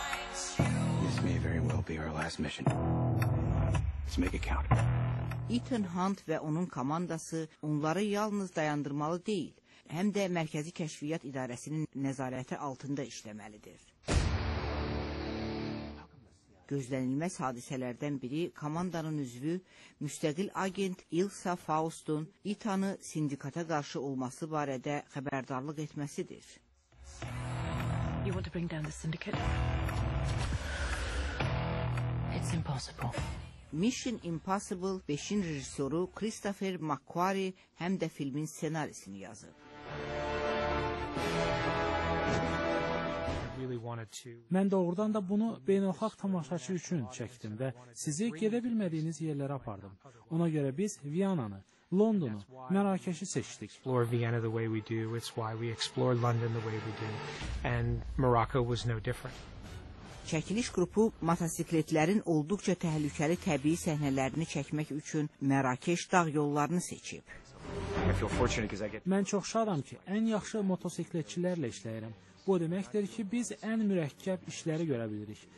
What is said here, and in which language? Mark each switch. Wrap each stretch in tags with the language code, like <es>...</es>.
<en>This may very well be our last mission. Let's make it count.</en> <az>Ethan Hunt və onun komandası onları yalnız dayandırmalı deyil, həm də Mərkəzi Kəşfiyyat İdarəsinin nəzarəti altında işləməlidir. Gözlənilməz hadisələrdən biri komandanın üzvü, müstəqil agent Ilsa Faust'un Ethan'ı sindikata qarşı olması barədə xəbərdarlıq etməsidir.</az> <en>You want to bring down the syndicate? It's impossible.</en> <az>Mission Impossible 5-in rejissoru Christopher McQuarrie həm də filmin ssenarisini yazıb. Mən doğrudan da bunu beynəlxalq tamaşaçı üçün çəkdim və sizi gedə bilmədiyiniz yerlərə apardım. Ona görə biz Viyananı, Londonu, Mərakeşi seçdik.</az> <en>Explore Vienna the way we do, it's why we explore London the way we do. And Morocco was no different.</en> <az>Çəkiliş qrupu motosikletlərin olduqca təhlükəli təbii səhnələrini çəkmək üçün Mərakeş dağ yollarını seçib. Mən çox şadam ki, ən yaxşı motosikletçilərlə işləyirəm. Bu deməkdir ki, biz ən mürəkkəb işləri görə bilirik.</az>